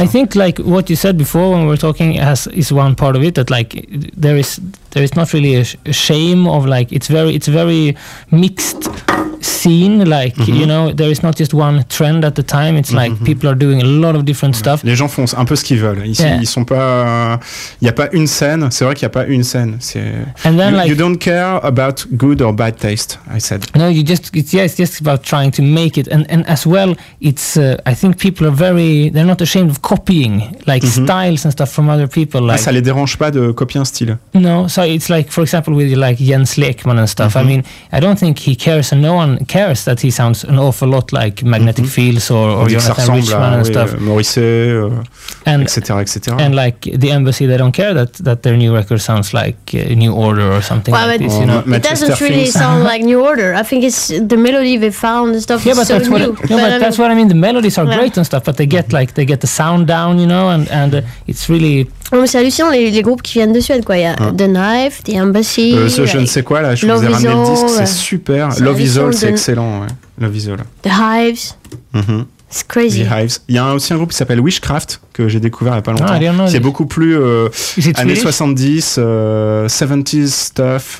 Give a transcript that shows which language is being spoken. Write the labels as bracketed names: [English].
[English] I think like what you said before when we were talking is one part of it, that like there is not really a shame of like it's very mixed scene, like, mm-hmm. you know, there is not just one trend at the time, it's mm-hmm. like people are doing a lot of different mm-hmm. [French] Les gens font un peu ce qu'ils veulent. Ils sont pas, il y a pas une scène, c'est vrai qu'il y a pas une scène. [English] And then, you don't care about good or bad taste, I said. No, it's just about trying to make it, and as well, it's I think people are very, they're not ashamed of copying like mm-hmm. styles and stuff from other people. Like, [French] ah, ça les dérange pas de copier un style? [English] No, so it's like, for example, with like Jens Lekman and stuff, mm-hmm. I mean, I don't think he cares, and no one cares that he sounds an awful lot like Magnetic mm-hmm. Fields or Jonathan Richman and stuff. Morrissey, etc., etc. And like the Embassy, they don't care that their new record sounds like New Order or something. Well, like but this, you know? It doesn't really sound like New Order. I think it's the melody they found and stuff. Yeah, but so that's new. But I mean, the melodies are great and stuff, but they get mm-hmm. like they get the sound down, you know, and it's really. [French] Non, mais c'est hallucinant les groupes qui viennent de Suède, quoi. Il y a The Knife, The Embassy. Je ne sais quoi là, je vous ai ramené le disque, c'est super. Love Is All, c'est excellent. Ouais. Love Is All. [English] The Hives. Mm-hmm. [French] C'est crazy. [English] The Hives. [French] Il y a aussi un groupe qui s'appelle Witchcraft que j'ai découvert il n'y a pas longtemps. Ah, c'est beaucoup plus années 70, [English] 70s stuff.